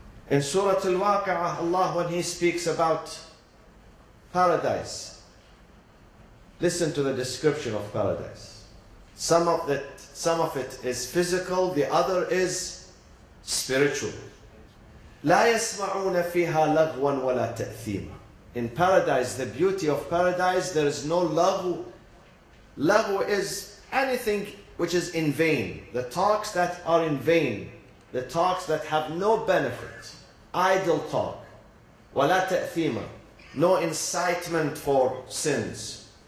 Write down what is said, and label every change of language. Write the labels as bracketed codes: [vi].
[en] In Surah Al-Waqi'ah, Allah, when He speaks about paradise, listen to the description of paradise. Some of it is physical, the other is spiritual. [ar] لا يسمعون فيها لغوا ولا تأثيما. [en] In paradise, the beauty of paradise, there is no lagu. Lagu is anything which is in vain. The talks that are in vain, the talks that have no benefit. Idle talk, [ar] ولا تأثيما, [en] no incitement for sins.